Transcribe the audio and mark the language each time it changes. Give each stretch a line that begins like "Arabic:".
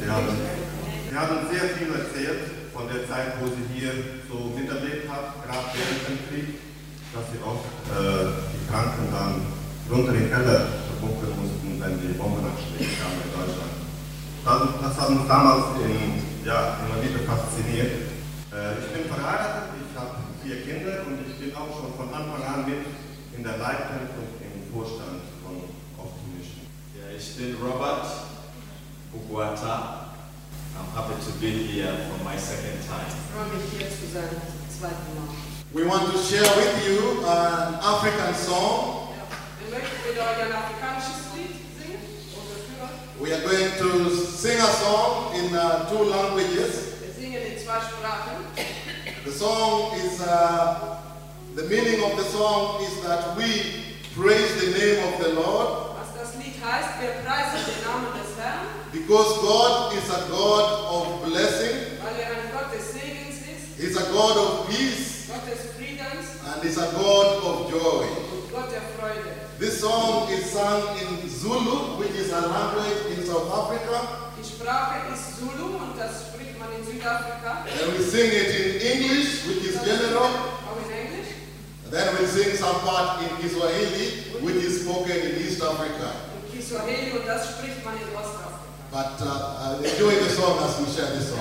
German: Sie haben sehr viel erzählt von der Zeit, wo sie hier so miterlebt hat, gerade während dem Krieg, dass sie oft die Kranken dann runter in den Keller verbunden mussten, wenn die Bomben abschlägen kamen in Deutschland. Das hat mich damals immer wieder fasziniert. Ich bin verheiratet, ich habe vier Kinder und ich bin auch schon von Anfang an mit in der Leitung und im Vorstand von Off to Mission. Ja, ich bin Robert Uguata.
English: I'm happy to be here for my second time.
German: Ich freue mich hier zu sein, zweiten Mal.
English: We want to share with you an African song.
German: Wir möchten mit euch ein afrikanisches Lied singen.
English: We are going to sing a song in two languages.
German: Wir singen in zwei Sprachen.
English: The song is, the meaning of the song is that we praise the name of the Lord.
German: Was das Lied heißt, wir preisen den Namen des Herrn.
English: Because God is a God of blessing.
German: Weil er ein Gott des Segens ist.
English: He's a God of peace.
German: Gott des Friedens.
English: And he's a God of joy.
German: Gott der Freude.
English: This song is sung in Zulu, which is a language in South Africa.
German: Die Sprache ist Zulu und das spricht man in Südafrika.
English: Then we sing it in English, which is general.
German: Auch in Englisch.
English: Then we sing some part in Kiswahili, which is spoken in East Africa.
German: In Kiswahili und das spricht man in Ostafrika.
English: But enjoy the song as we share this song.